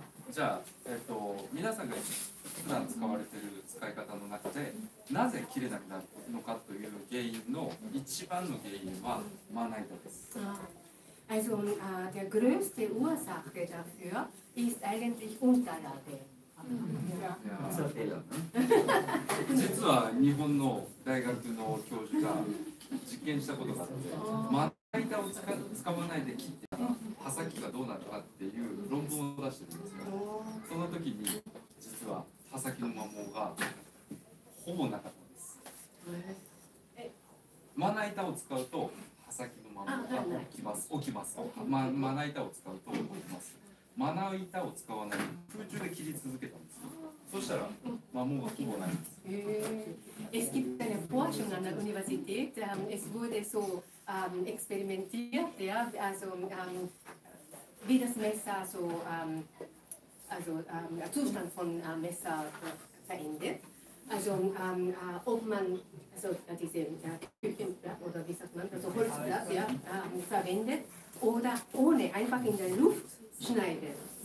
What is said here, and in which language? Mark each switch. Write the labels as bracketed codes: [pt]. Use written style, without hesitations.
[ja] じゃあ、皆さんが普段使われている使い方の中でなぜ切れなくなるのかという原因の一番の原因はまな板です。 [de] Also, der größte Ursache dafür ist eigentlich Unterlage. Ja. [ja] 実は日本の大学の教授が実験したことがあって、まな板を使わないで切ってたら刃先がどうなるかっていう論文を出してるんですが、その時に実は刃先の摩耗がほぼなかったんです。まな板を使うと刃先の摩耗が起きます。まな板を使うと起きます。まな板を使わないで空中で切り続けたんです。そしたら摩耗がほぼないんです。 [de] Es gibt eine Forschung an der Universität, es wurde so experimentiert, ja, also wie das Messer so, also der Zustand von Messer verändert. Also ob man also, diese Küchenblatt oder wie sagt man, also Holzblatt ja, verwendet oder ohne, einfach in der Luft schneidet.